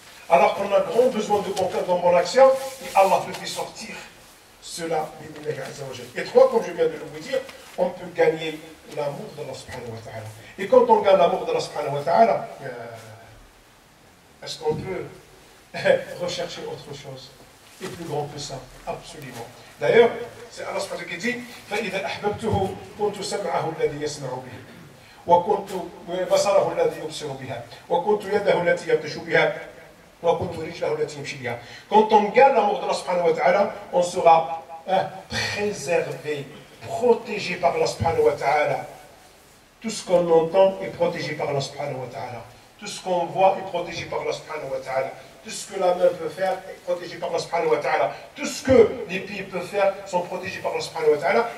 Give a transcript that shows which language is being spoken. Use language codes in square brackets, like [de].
[fr] Alors qu'on a grand besoin de bon cœur dans mon action, et Allah te fait sortir cela, bismillah azza wa jalla. Et trois, comme je viens de vous dire, on peut gagner l'amour d'Allah subhanahu wa ta'ala. Et quand on gagne l'amour d'Allah subhanahu wa ta'ala, est-ce qu'on peut rechercher autre chose? Et plus grand que ça? Absolument. D'ailleurs, c'est Allah subhanahu wa ta'ala qui dit, [ar] فَإِذَا أَحْبَبْتُهُ كُنْتُ سَمْعَهُ الَّذِي يَسْمَعُ بِهِ وَكُنْتُ بَصَرَهُ الَّذِي يُبْصِرُ بِهَا وَكُنْتُ يَدَهُ الَّتِي يَبْطِشُ بِهَا وَكُنْتُ رِجْلَهُ الَّتِي يَمْشِي بِهَا. [fr] Quand on gagne l'amour d'Allah subhanahu wa ta'ala, on sera préservé, protégé par Allah subhanahu wa ta'ala. Tout ce qu'on entend est protégé par Allah subhanahu wa ta'ala. Tout ce qu'on voit est protégé par Allah subhanahu wa ta'ala. Tout ce que la main peut faire est protégé par Allah subhanahu wa ta'ala. Tout ce que les pieds peuvent faire sont protégés par Allah subhanahu wa ta'ala.